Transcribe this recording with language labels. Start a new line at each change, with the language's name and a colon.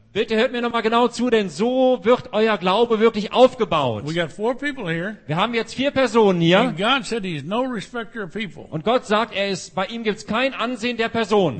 German: Bitte hört mir nochmal genau zu, denn so wird euer Glaube wirklich aufgebaut.
English: We got four people here.
German: Wir haben jetzt vier Personen hier.
English: And God said he's no respecter of people.
German: Und Gott sagt, er ist, bei ihm gibt es kein Ansehen der Person.